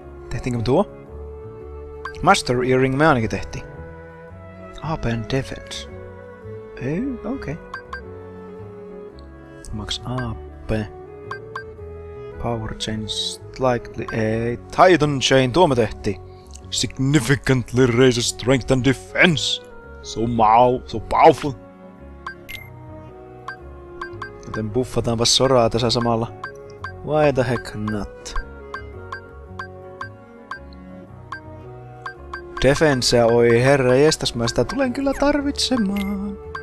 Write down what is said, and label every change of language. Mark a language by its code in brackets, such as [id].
[fi] Tehtiinkö me tuo? Master Earring me ainakin tehtiin. [en] AP and Defense. Okei. Max AP. Power Chain slightly... [fi] Titan Chain, tuo me tehtiin. [en] Significantly raises strength and defense. So powerful. [fi] Joten buffataanpa Soraa tässä samalla. [en] Why the heck not? [fi] Defense, oi herra jestas, mä sitä tulen kyllä tarvitsemaan.